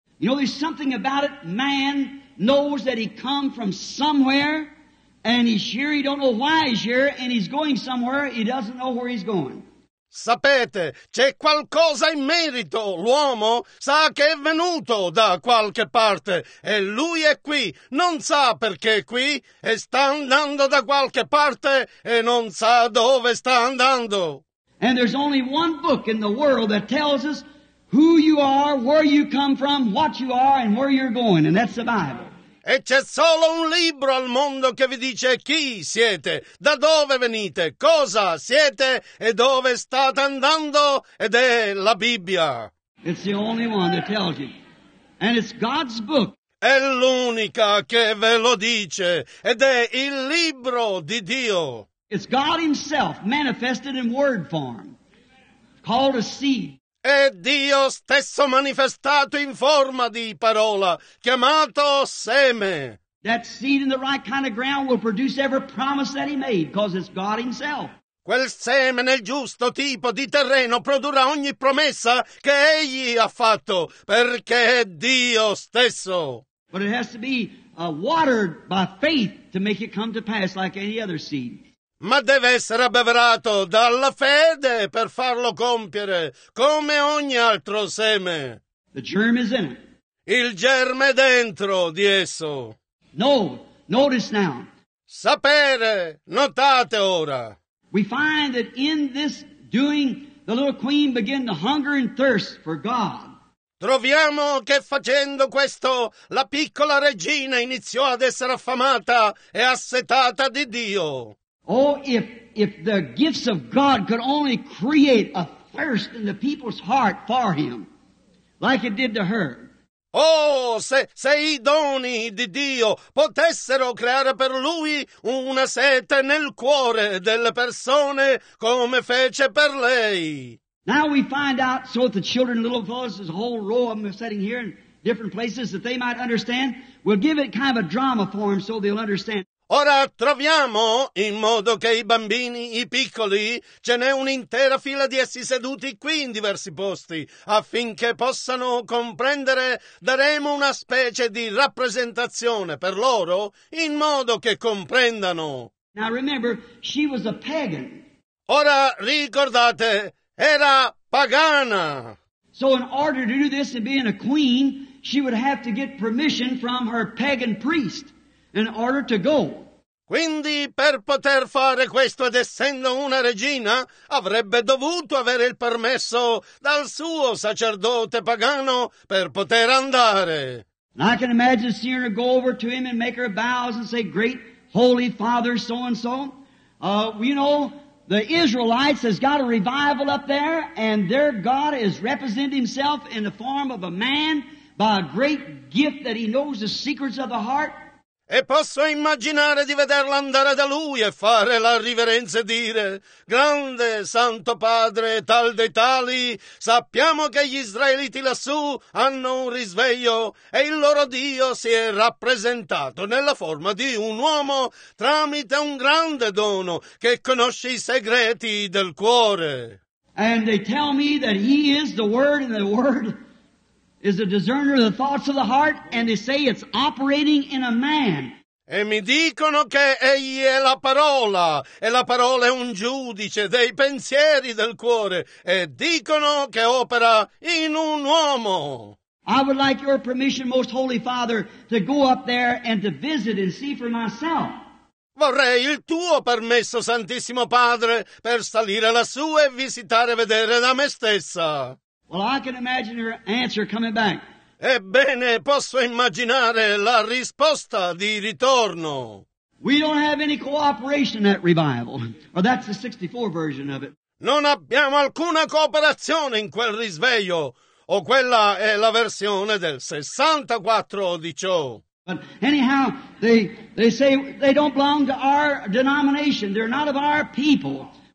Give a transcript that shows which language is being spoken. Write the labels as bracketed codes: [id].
[en] You know, there's something about it. Man knows that he come from somewhere, and he's here. He don't know why he's here, and he's going somewhere. He doesn't know where he's going. [it] Sapete, c'è qualcosa in merito. L'uomo sa che è venuto da qualche parte, e lui è qui. Non sa perché è qui, e sta andando da qualche parte, e non sa dove sta andando. [en] And there's only one book in the world that tells us who you are, where you come from, what you are, and where you're going, and that's the Bible. [it] E c'è solo un libro al mondo che vi dice chi siete, da dove venite, cosa siete e dove state andando, ed è la Bibbia. [en] It's the only one that tells you. And it's God's book. [it] È l'unica che ve lo dice, ed è il libro di Dio. [en] It's God himself manifested in word form, called a seed. [it] È Dio stesso manifestato in forma di parola, chiamato seme. [en] That seed in the right kind of ground will produce every promise that he made, because it's God himself. [it] Quel seme nel giusto tipo di terreno produrrà ogni promessa che egli ha fatto, perché è Dio stesso. [en] But it has to be watered by faith to make it come to pass like any other seed. [it] Ma deve essere abbeverato dalla fede per farlo compiere, come ogni altro seme. [en] The germ is in it. [it] Il germe è dentro di esso. [en] No, notice now. [it] Sapere, notate ora. [en] We find that in this doing, the little queen began to hunger and thirst for God. [it] Troviamo che facendo questo, la piccola regina iniziò ad essere affamata e assetata di Dio. [en] Oh, if the gifts of God could only create a thirst in the people's heart for him, like it did to her. [it] Oh, se i doni di Dio potessero creare per lui una sete nel cuore delle persone come fece per lei. [en] Now we find out, so that the children, little fellows, there's a whole row of them sitting here in different places that they might understand. We'll give it kind of a drama for them so they'll understand. [it] Ora troviamo, in modo che i bambini, i piccoli, ce n'è un'intera fila di essi seduti qui in diversi posti, affinché possano comprendere, daremo una specie di rappresentazione per loro, in modo che comprendano. [en] Now remember, she was a pagan. [it] Ora ricordate, era pagana. [en] So in order to do this and being a queen, she would have to get permission from her pagan priest. In order to go. [it] Quindi per poter fare questo ed essendo una regina avrebbe dovuto avere il permesso dal suo sacerdote pagano per poter andare. [en] And I can imagine seeing her go over to him and make her bows and say, "Great Holy Father, so and so." You know, the Israelites has got a revival up there, and their God is representing himself in the form of a man by a great gift that he knows the secrets of the heart. [it] E posso immaginare di vederla andare da lui e fare la riverenza e dire: "Grande Santo Padre, tal dei tali, sappiamo che gli Israeliti lassù hanno un risveglio e il loro Dio si è rappresentato nella forma di un uomo tramite un grande dono che conosce i segreti del cuore." [en] And they tell me that he is the Word and the Word is a discerner of the thoughts of the heart, and they say it's operating in a man. [it] E mi dicono che egli è la parola, e la parola è un giudice dei pensieri del cuore, e dicono che opera in un uomo. [en] I would like your permission, most holy father, to go up there and to visit and see for myself. [it] Vorrei il tuo permesso, santissimo padre, per salire lassù e visitare e vedere da me stessa. [en] Well, I can imagine her answer coming back. [it] Ebbene, posso immaginare la risposta di ritorno. [en] We don't have any cooperation in that revival. Or that's the 64 version of it. [it] Non abbiamo alcuna cooperazione in quel risveglio. O quella è la versione del 64 di ciò. [en] But anyhow, they say they don't belong to our denomination. They're not of our people.